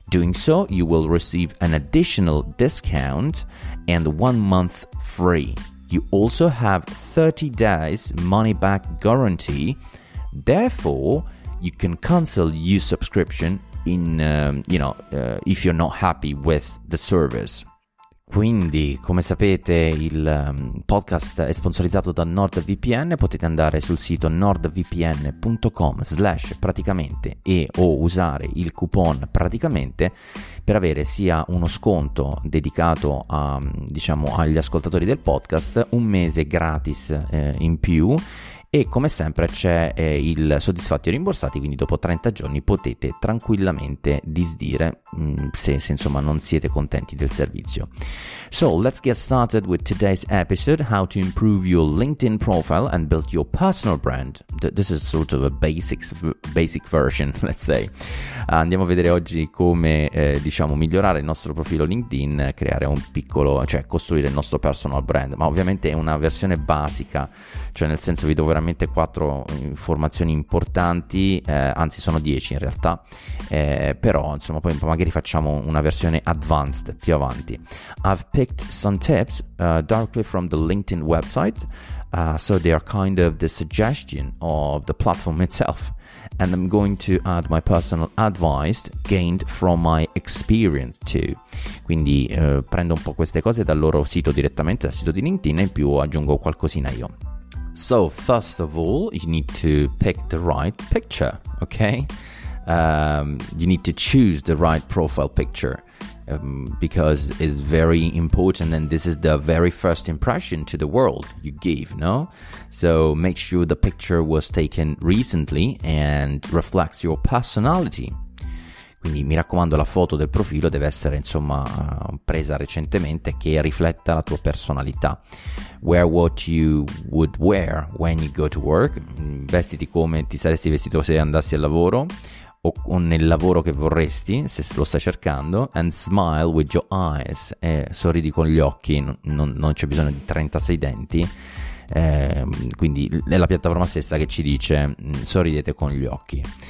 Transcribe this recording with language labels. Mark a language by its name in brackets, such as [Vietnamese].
[English] Doing so, you will receive an additional discount and 1 month free. You also have 30 days money back guarantee. Therefore, you can cancel your subscription in, if you're not happy with the service. [Italian] Quindi, come sapete, il podcast è sponsorizzato da NordVPN. Potete andare sul sito nordvpn.com/praticamente e o usare il coupon praticamente per avere sia uno sconto dedicato a, diciamo, agli ascoltatori del podcast, un mese gratis in più. E come sempre c'è il soddisfatti o rimborsati, quindi dopo 30 giorni potete tranquillamente disdire se insomma non siete contenti del servizio. [English] So let's get started with today's episode, how to improve your LinkedIn profile and build your personal brand. This is sort of a basic version, let's say. [Italian] Andiamo a vedere oggi come migliorare il nostro profilo LinkedIn, creare un piccolo, cioè costruire il nostro personal brand, ma ovviamente è una versione basica, cioè nel senso vi dovrò veramente 4 informazioni importanti, anzi sono 10 in realtà, però insomma poi magari facciamo una versione advanced più avanti. [English] I've picked some tips directly from the LinkedIn website, so they are kind of the suggestion of the platform itself, and I'm going to add my personal advice gained from my experience too. [Italian] Quindi prendo un po' queste cose dal loro sito direttamente, dal sito di LinkedIn, e in più aggiungo qualcosina io. [English] So, first of all, you need to pick the right picture, okay? you need to choose the right profile picture, because it's very important, and this is the very first impression to the world you give, no? So make sure the picture was taken recently and reflects your personality. [Italian] Quindi mi raccomando, la foto del profilo deve essere, insomma, presa recentemente, che rifletta la tua personalità. [English] Wear what you would wear when you go to work. [Italian] Vestiti come ti saresti vestito se andassi al lavoro o nel lavoro che vorresti, se lo stai cercando. [English] And smile with your eyes. [Italian] Sorridi con gli occhi, non c'è bisogno di 36 denti. Quindi è la piattaforma stessa che ci dice sorridete con gli occhi.